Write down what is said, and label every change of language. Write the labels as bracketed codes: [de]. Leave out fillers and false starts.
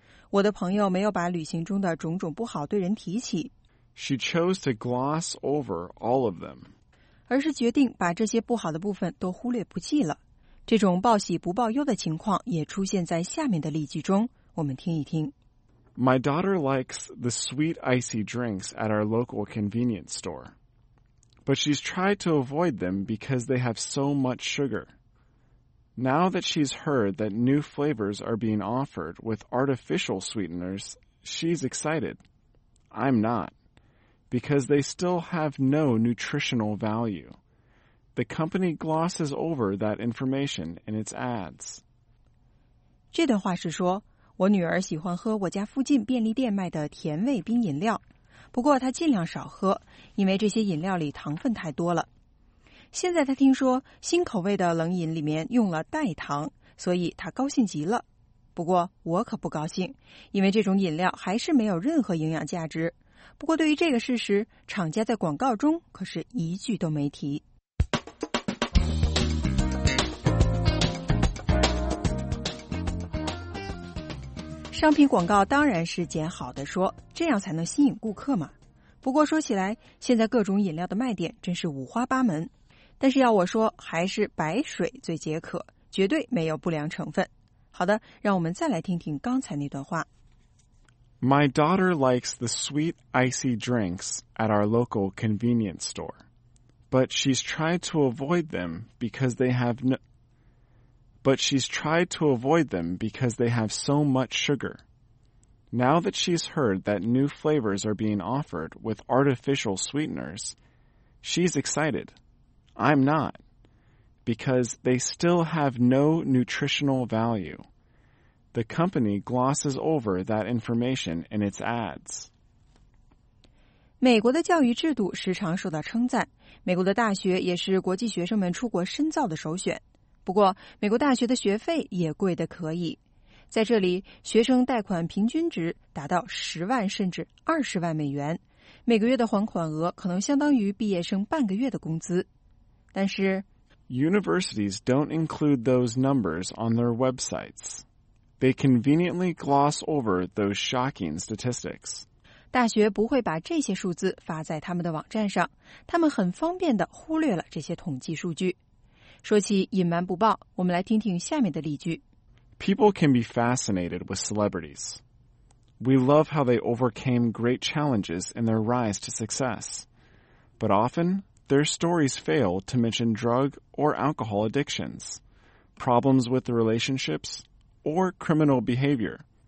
[zh] 我的朋友没有把旅行中的种种不好对人提起。 [en] She chose to gloss over all of them. [zh] 而是决定把这些不好的部分都忽略不计了。这种报喜不报忧的情况也出现在下面的例句中，我们听一听。 [en] My daughter likes the sweet icy drinks at our local convenience store. But she's tried to avoid them because they have so much sugar. Now that she's heard that new flavors are being offered with artificial sweeteners, she's excited. I'm not. Because they still have no nutritional value. The company glosses over that information in its ads. [zh] 这段话是说，我女儿喜欢喝我家附近便利店卖的甜味冰饮料，不过她尽量少喝，因为这些饮料里糖分太多了。现在她听说新口味的冷饮里面用了代糖，所以她高兴极了。不过我可不高兴，因为这种饮料还是没有任何营养价值。不过对于这个事实，厂家在广告中可是一句都没提。商品广告当然是捡好的说，这样才能吸引顾客嘛。不过说起来，现在各种饮料的卖点真是五花八门，但是要我说，还是白水最解渴，绝对没有不良成分。好的，让我们再来听听刚才那段话。 [en] My daughter likes the sweet icy drinks at our local convenience store, but she's tried to avoid them because they have no, but she's tried to avoid them because they have so much sugar. Now that she's heard that new flavors are being offered with artificial sweeteners, she's excited. I'm not, because they still have no nutritional value. The company glosses over that information in its ads. [zh] 美国的教育制度时常受到称赞，美国的大学也是国际学生们出国深造的首选。不过，美国大学的学费也贵得可以。在这里，学生贷款平均值达到10万甚至20万美元，每个月的还款额可能相当于毕业生半个月的工资。但是 [en] ，Universities don't include those numbers on their websites. They conveniently gloss over those shocking statistics. [zh] 大学不会把这些数字发在他们的网站上，他们很方便地忽略了这些统计数据。说起隐瞒不报，我们来听听下面的例句。 [en] People can be fascinated with celebrities. We love how they overcame great challenges in their rise to success. But often, their stories fail to mention drug or alcohol addictions, problems with the relationships, or criminal behavior.